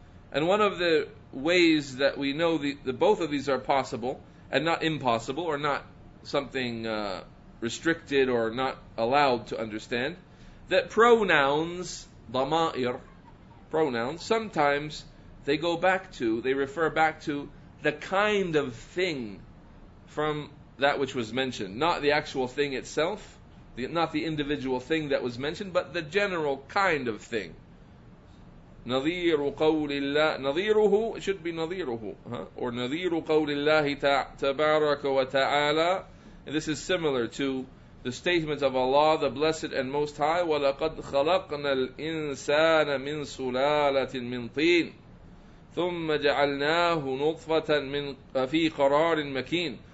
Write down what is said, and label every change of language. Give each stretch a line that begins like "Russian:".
English: And one of the ways that we know that both of these are possible, and not impossible, or not something restricted or not allowed to understand, that pronouns, ضمائر, pronouns, sometimes they refer back to the kind of thing from that which was mentioned, not the actual thing itself, not the individual thing that was mentioned, but the general kind of thing.
Arabic: نَذِيرُ قَوْلِ اللَّهِ نَذِيرُهُ,
English: it should be
Arabic: نَذِيرُهُ, huh? Or نَذِيرُ قَوْلِ اللَّهِ تَبَارَكَ وَتَعَالَى.
English: And this is similar to the statement of Allah, the Blessed and Most High,
Arabic: وَلَقَدْ خَلَقْنَا الْإِنسَانَ مِنْ سُلَالَةٍ مِنْ طِينٍ ثُمَّ جَعَلْنَاهُ نُطْفَةً مِنْ فِي قَرَارٍ مَكِينٍ.